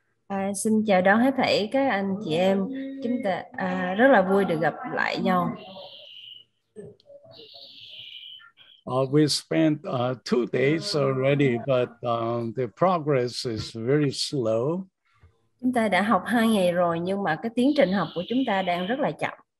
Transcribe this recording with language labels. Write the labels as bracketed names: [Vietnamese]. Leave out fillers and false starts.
[Vietnamese] Xin chào đón hết thảy các anh chị em. Chúng ta rất là vui được gặp lại nhau. [English] We spent 2 days already, but the progress is very slow. [Vietnamese] Chúng ta đã học 2 ngày rồi, nhưng mà cái tiến trình học của chúng ta đang rất là chậm.